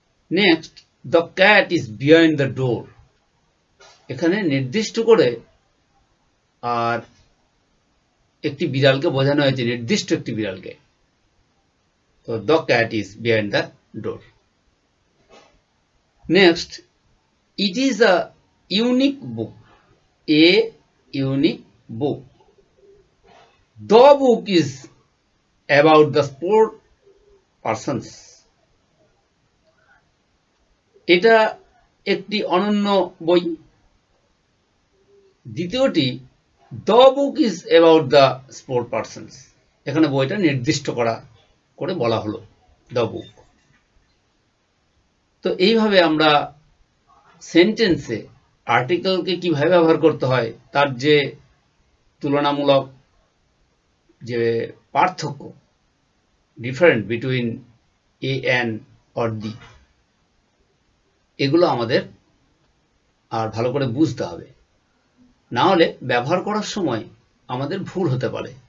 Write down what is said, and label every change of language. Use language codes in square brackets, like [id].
[bn] Next, [en] the cat is behind the door, [bn] এখানে নির্দিষ্ট করে আর একটি বিড়ালকে বোঝানো হয়েছে, নির্দিষ্ট একটি বিড়ালকে, তো the cat is behind the door. [en] Next, it is a unique book, a unique book, the book is about the sport persons. [bn] এটা একটি অনন্য বই। দ্বিতীয়টি [en] the book is about the sport persons. [bn] এখানে বইটা নির্দিষ্ট করা করে বলা হলো [en] the book. [bn] তো এইভাবে আমরা সেন্টেন্সে আর্টিকেলকে কিভাবে ব্যবহার করতে হয় তার যে তুলনামূলক যে পার্থক্য [en] different between a an or the [bn] এগুলো আমাদের আর ভালো করে বুঝতে হবে, না হলে ব্যবহার করার সময় আমাদের ভুল হতে পারে।